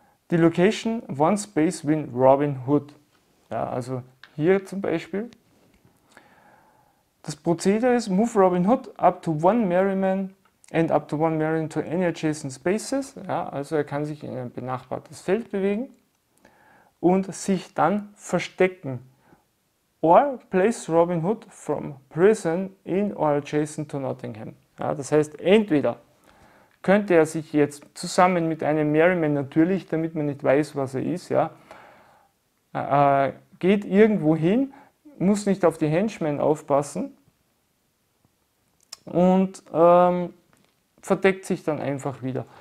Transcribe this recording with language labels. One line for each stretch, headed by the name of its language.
German: Die Location,
English: one space with Robin Hood.
German: Ja, also hier zum Beispiel. Das Prozedere ist
English: Move Robin Hood up to one Merryman and up to one Merryman to any adjacent spaces.
German: Ja, also er kann sich in ein benachbartes Feld bewegen und sich dann verstecken.
English: Or place Robin Hood from prison in or adjacent to Nottingham.
German: Ja, das heißt, entweder könnte er sich jetzt zusammen mit einem Merryman, natürlich, damit man nicht weiß, was er ist, ja, geht irgendwo hin, muss nicht auf die Henchmen aufpassen und verdeckt sich dann einfach wieder.